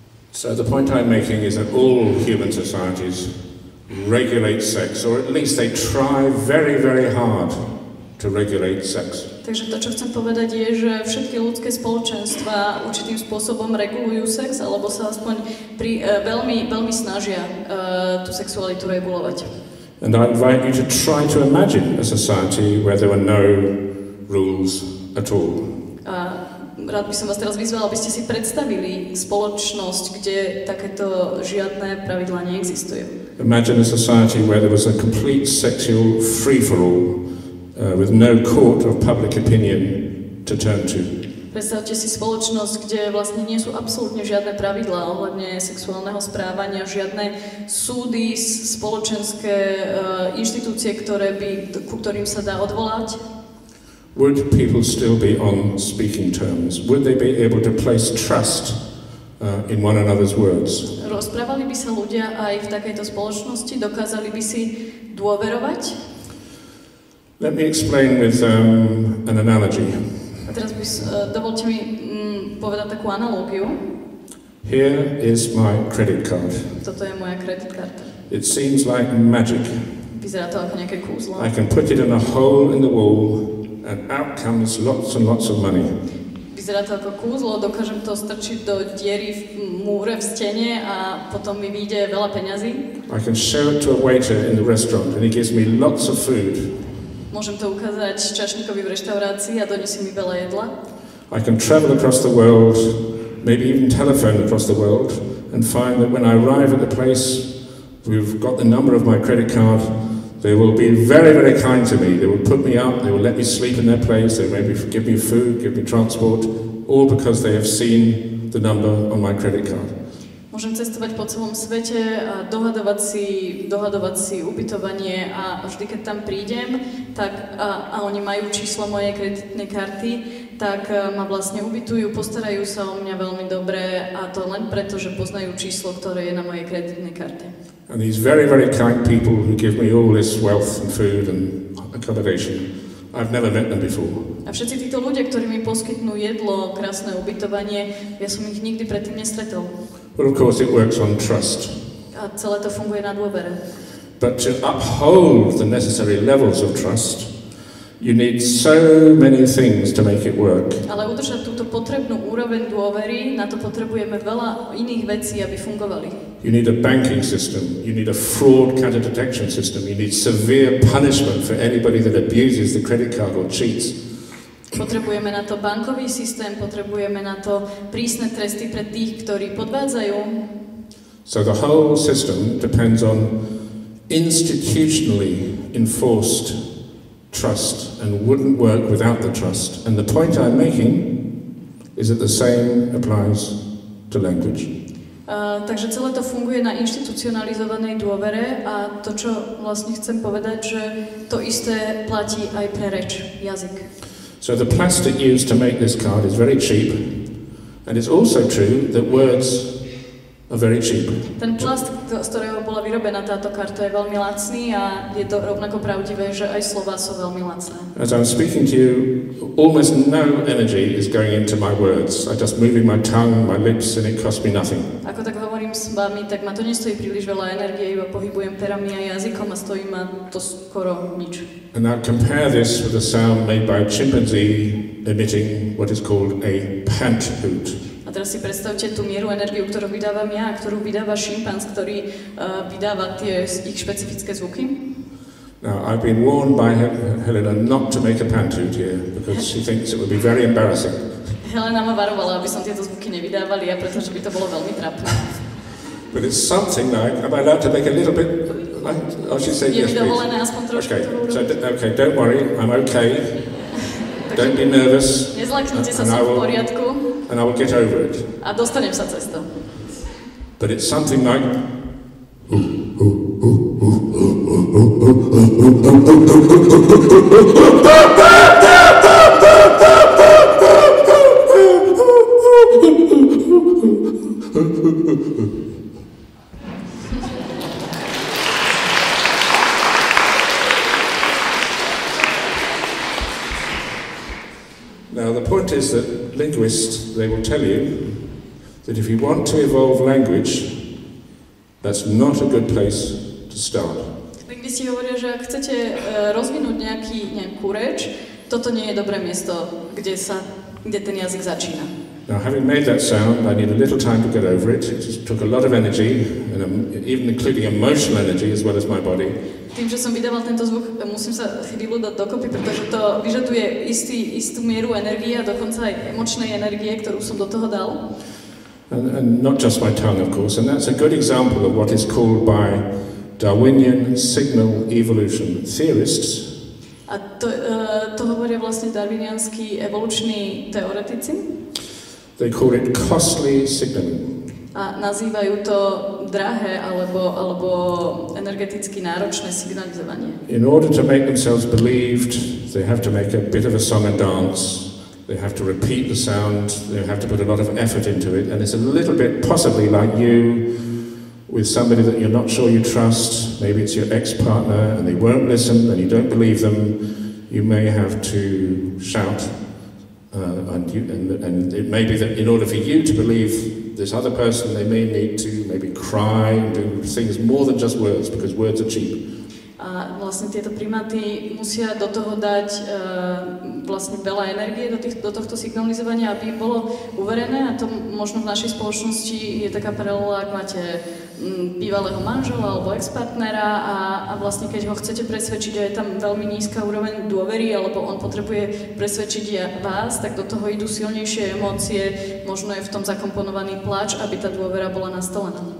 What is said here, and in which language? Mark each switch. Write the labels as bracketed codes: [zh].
[en] So the point I'm making is that all human societies regulate sex, or at least they try very, very hard to regulate sex. [sk] Takže to, čo chcem povedať, je, že všetky ľudské spoločenstva určitým spôsobom regulujú sex, alebo sa aspoň pri, veľmi, veľmi snažia tú sexualitu regulovať. [en] And I invite you to try to imagine a society where there were no rules at all. [sk] A rád by som vás teraz vyzval, aby ste si predstavili spoločnosť, kde takéto žiadne pravidlá neexistujú. [en] Imagine a society where there was a complete sexual free-for-all, with no court of public opinion to turn to. [sk] Predstavte si spoločnosť, kde vlastne nie sú absolútne žiadne pravidlá ohľadne sexuálneho správania, žiadne súdy, spoločenské inštitúcie, ktoré by, ku ktorým sa dá odvolať. [en] Would people still be on speaking terms? Would they be able to place trust in one another's words? [sk] Rozprávali by sa ľudia aj v takejto spoločnosti? Dokázali by si dôverovať? [en] Let me explain with an analogy. [sk] A teraz by dovolte mi povedať takú analógiu. [en] Here is my credit card. [sk] Toto je moja credit karta. [en] It seems like magic. [sk] Vyzerá to ako nejaké kúzlo. [en] I can put it in a hole in the wall and out comes lots and lots of money. [sk] Vyzerá to ako kúzlo, dokážem to strčiť do diery v múre, v stene a potom mi vyjde veľa peňazí. [en] I can show it to a waiter in the restaurant and he gives me lots of food. [sk] Môžem to ukázať čašníkovi v reštaurácii a donesie mi veľa jedla. [en] I can travel across the world, maybe even telephone across the world, and find that when I arrive at the place, we've got the number of my credit card, they will be very, very kind to me. They will put me up, they will let me sleep in their place, they maybe give me food, give me transport, all because they have seen the number on my credit card. [sk] Môžem cestovať po celom svete a dohadovať si ubytovanie a vždy, keď tam prídem, tak a oni majú číslo mojej kreditnej karty, tak ma vlastne ubytujú, postarajú sa o mňa veľmi dobre a to len preto, že poznajú číslo, ktoré je na mojej kreditnej karte. [en] And these very, very kind people who give me all this wealth and food and accommodation, I've never met them before. [sk] A všetci títo ľudia, ktorí mi poskytnú jedlo, krásne ubytovanie, ja som ich nikdy predtým nestretol. [en] But of course it works on trust. [sk] A celé to funguje na dôvere. [en] But to uphold the necessary levels of trust, you need so many things to make it work. [sk] Ale udržať túto potrebnú úroveň dôvery, na to potrebujeme veľa iných vecí, aby fungovali. [en] You need a banking system, you need a fraud counter-detection system, you need severe punishment for anybody that abuses the credit card or cheats. [sk] Potrebujeme na to bankový systém, potrebujeme na to prísne tresty pre tých, ktorí podvádzajú. [en] So the whole system depends on institutionally enforced trust and wouldn't work without the trust. And the point I'm making is that the same applies to language. [sk] Takže celé to funguje na institucionalizovanej dôvere a to, čo vlastne chcem povedať, že to isté platí aj pre reč, jazyk. [en] So the plastic used to make this card is very cheap, and it's also true that words are very cheap. [sk] Ten plast, z ktorého bola vyrobená táto karta, je veľmi lacný a je to rovnako pravdivé, že aj slova sú veľmi lacné. [en] As I'm speaking to you, almost no energy is going into my words. I'm just moving my tongue, my lips, and it costs me nothing. [sk] Ako tak hovorím s vami, tak ma to nestojí príliš veľa energie, iba pohybujem perami a jazykom a stojí ma to skoro nič. [en] And now compare this with the sound made by a chimpanzee emitting what is called a pant hoot. [sk] A teraz si predstavte tú mieru energiu, ktorú vydávam ja, ktorú vydáva šimpanz, ktorý vydáva tie ich špecifické zvuky. [en] Now, I've been warned by Helena not to make a pant hoot here, because she thinks it would be very embarrassing. [sk] Helena ma varovala, aby som tieto zvuky nevydávali, a pretože by to bolo veľmi trapné. [en] But it's something like, am I allowed to make a little bit? Oh, she said yes, please. Okay. Okay, don't worry, I'm okay. Don't be nervous. [sk] Nezlaknite sa, som v poriadku. [en] And I will get over it. [sk] A dostanem sa cez to. [en] But it's something like... Now the point is that linguists, they will tell you that if you want to evolve language, that's not a good place to start. [sk] Linguisti hovoria, že ak chcete rozvinúť nejakú reč, toto nie je dobré miesto, kde sa, kde ten jazyk začína. [en] Now, having made that sound, I need a little time to get over it. It took a lot of energy, and even including emotional energy, as well as my body. [sk] Tým, že som vydával tento zvuk, musím sa chvíľu dať dokopy, pretože to vyžaduje istú mieru energie a dokonca aj emočnej energie, ktorú som do toho dal. [en] And not just my tongue, of course. And that's a good example of what is called by Darwinian signal evolution theorists. [sk] A to hovoria vlastne darwinianskí evoluční teoretici. [en] They call it costly signaling. [sk] A nazývajú to drahé alebo energeticky náročné signalizovanie. [en] In order to make themselves believed, they have to make a bit of a song and dance. They have to repeat the sound, they have to put a lot of effort into it, and it's a little bit possibly like you with somebody that you're not sure you trust, maybe it's your ex-partner and they won't listen and you don't believe them, you may have to shout. And it may be that in order for you to believe this other person, they may need to maybe cry, do things more than just words, because words are cheap. [sk] A vlastne tieto primáty musia do toho dať vlastne veľa energie do tohto signalizovania, aby im bolo uverené, a to možno v našej spoločnosti je taká paralela, ak máte bývalého manžela alebo ex-partnera a vlastne keď ho chcete presvedčiť a je tam veľmi nízka úroveň dôvery alebo on potrebuje presvedčiť vás, tak do toho idú silnejšie emócie, možno je v tom zakomponovaný plač, aby tá dôvera bola nastolená.